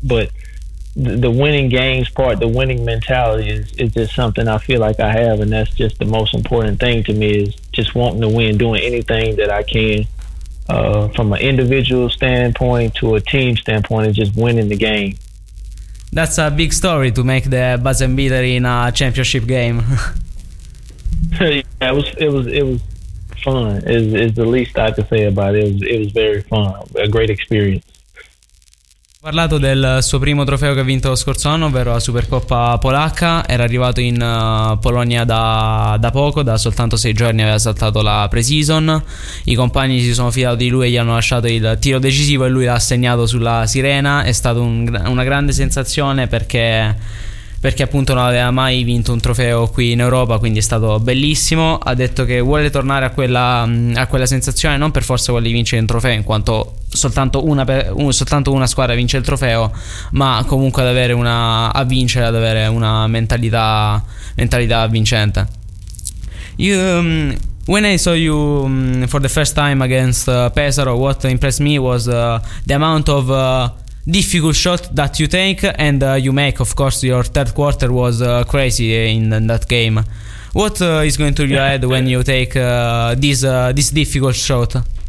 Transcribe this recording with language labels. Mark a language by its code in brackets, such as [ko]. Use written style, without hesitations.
[en] But the winning games part, the winning mentality is just something I feel like I have, and that's just the most important thing to me, is just wanting to win, doing anything that I can, from an individual standpoint to a team standpoint, and just winning the game. That's a big story to make the buzzer beater in a championship game. Yeah, it was fun, is the least I could say about it. It was very fun, a great experience. [it] Ha parlato del suo primo trofeo che ha vinto lo scorso anno, ovvero la Supercoppa Polacca. Era arrivato in Polonia da poco, da soltanto 6 giorni aveva saltato la pre-season. I compagni si sono fidati di lui e gli hanno lasciato il tiro decisivo, e lui l'ha segnato sulla sirena. È stata una grande sensazione, perché perché appunto non aveva mai vinto un trofeo qui in Europa, quindi è stato bellissimo. Ha detto che vuole tornare a quella sensazione, non per forza quello di vincere un trofeo, in quanto soltanto una squadra vince il trofeo, ma comunque ad avere una mentalità vincente. [en] When I saw you for the first time against Pesaro, what impressed me was the amount of difficult shot that you take and you make. Of course, your third quarter was crazy in that game. What is going through your head when you take this difficult shot?